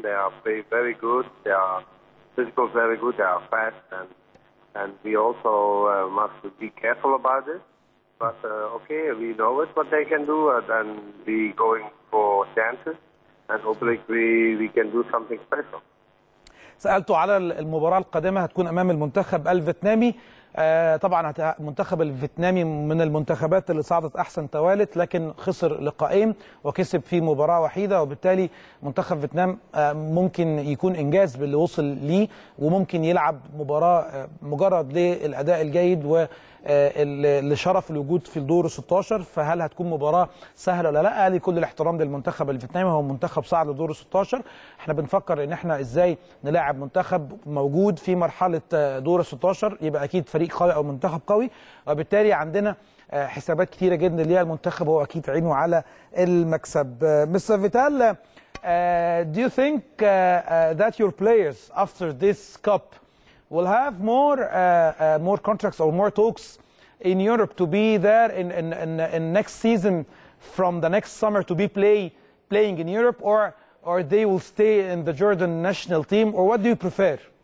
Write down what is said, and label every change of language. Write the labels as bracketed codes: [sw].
[en] They are play very good. They are physical, very good. They are fast and. And we also must be careful about it. But okay, we know it, what they can do. Then we going for chances, and hopefully we can do something special. [ar] سألته على المباراة القادمة هتكون أمام المنتخب الفيتنامي. طبعا المنتخب الفيتنامي من المنتخبات اللي صعدت احسن توالت، لكن خسر لقائين وكسب في مباراه وحيده، وبالتالي منتخب فيتنام ممكن يكون انجاز باللي وصل ليه، وممكن يلعب مباراه مجرد للاداء الجيد ولشرف الوجود في الدور 16. فهل هتكون مباراه سهله ولا لا؟ قال كل الاحترام للمنتخب الفيتنامي، هو منتخب صعد لدور 16، احنا بنفكر ان احنا ازاي نلاعب منتخب موجود في مرحله دور 16، يبقى اكيد فريق قوي او منتخب قوي، وبالتالي عندنا حسابات كثيره جدا ليها المنتخب، هو اكيد عينه على المكسب. [en] Mister Vital, do you think that your players after this cup will have more contracts or more talks in Europe to be there in next season from the next summer to be playing in Europe, or they will stay in the Jordan national team, or what do you prefer?